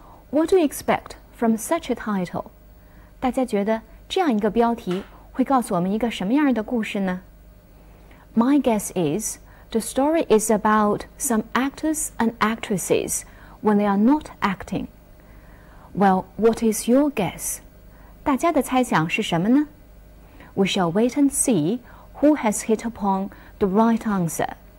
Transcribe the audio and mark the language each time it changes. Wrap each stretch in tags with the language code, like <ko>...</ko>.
<en>What do you expect from such a title?</en> <zh>大家觉得这样一个标题会告诉我们一个什么样的故事呢？</zh> <en>My guess is, the story is about some actors and actresses when they are not acting. Well, what is your guess?</en> <zh>大家的猜想是什么呢？</zh> <en>We shall wait and see who has hit upon the right answer.</en>